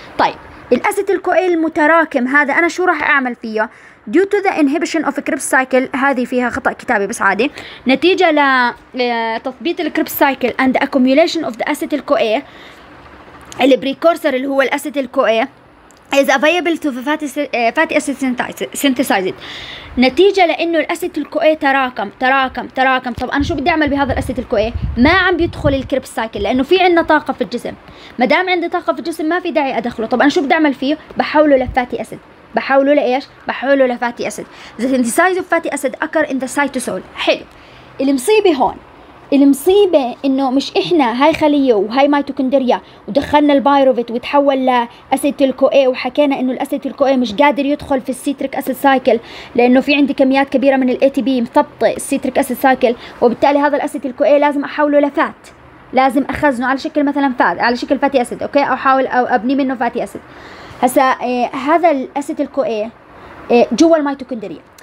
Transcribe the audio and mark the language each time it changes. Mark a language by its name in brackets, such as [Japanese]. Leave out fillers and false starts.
[Arabic] طيب الاسيتيل كو اي المتراكم هذا انا شو راح اعمل فيه؟ [English] due to the inhibition of Krebs cycle، [Arabic] هذه فيها خطا كتابي بس عادي، نتيجه لتثبيط الكريبس سايكل [English] and the accumulation of the acetyl CoA [Arabic] البريكورسر اللي هو الاسيتيل كو اي [English] is available to fatty acid synthesized، [Arabic] نتيجة لأنه الأسيتيل كو اي تراكم تراكم تراكم. طب أنا شو بدي أعمل بهذا الأسيتيل كو اي؟ ما عم بيدخل الكريبس سايكل لأنه في عندنا طاقة في الجسم، ما دام عندي طاقة في الجسم ما في داعي أدخله. طب أنا شو بدي أعمل فيه؟ بحوله لفاتي أسيد، بحوله لإيش؟ بحوله لفاتي أسيد. [English] The synthesized fatty acid occur in the cytosol. [Arabic] حلو، المصيبة هون، المصيبة انه مش احنا هاي خلية وهاي ميتوكوندريا ودخلنا البايروفيت وتحول لأسيتيل كو اي وحكينا انه الأسيتيل كو اي مش قادر يدخل في السيتريك اسيد سايكل لانه في عندي كميات كبيرة من الاي تي بي مثبطئ السيتريك اسيد سايكل، وبالتالي هذا الأسيتيل كو اي لازم احوله لفات، لازم اخزنه على شكل مثلا فات، على شكل فاتي اسيد، اوكي؟ او احاول او ابني منه فاتي اسيد. هسا هذا الأسيتيل كو اي جوا الميتوكوندريا،